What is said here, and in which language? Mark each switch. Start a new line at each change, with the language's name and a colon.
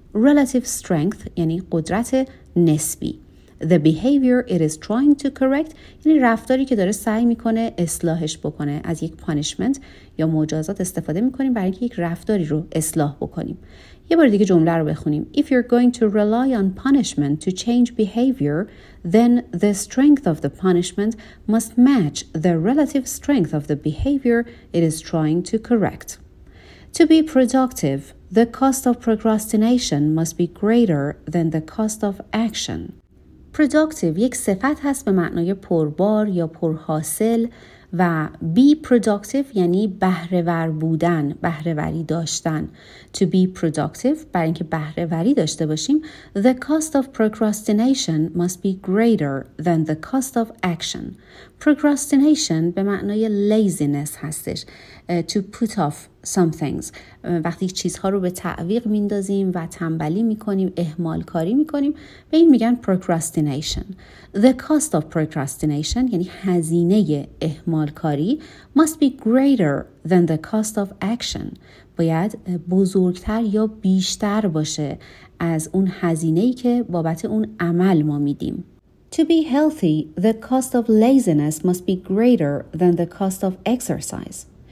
English: Relative strength
Persian: یعنی قدرت نسبی.
English: The behavior it is trying to correct
Persian: یعنی رفتاری که داره سعی میکنه اصلاحش بکنه. از یک punishment یا مجازات استفاده میکنیم برای اینکه یک رفتاری رو اصلاح بکنیم. یه بار دیگه جمله رو بخونیم.
English: If you're going to rely on punishment to change behavior, then the strength of the punishment must match the relative strength of the behavior it is trying to correct. To be productive, the cost of procrastination must be greater than the cost of action.
Persian: Productive یک صفت هست به معنای پربار یا پرحاصل و
English: be productive
Persian: یعنی بهره‌ور بودن, بهره‌وری داشتن.
English: To be productive,
Persian: برای اینکه بهره‌وری داشته باشیم,
English: the cost of procrastination must be greater than the cost of action.
Persian: Procrastination به معنای laziness هستش.
English: To put off some things.
Persian: وقتی چیزها رو به تعویق میندازیم و تنبلی میکنیم, اهمال کاری میکنیم, به این میگن procrastination.
English: The cost of procrastination
Persian: یعنی هزینه اهمال کاری
English: must be greater than the cost of action.
Persian: باید بزرگتر یا بیشتر باشه از اون هزینه‌ای که بابت اون عمل ما میدیم.
English: To be healthy, the cost of laziness must be greater than the cost of exercise.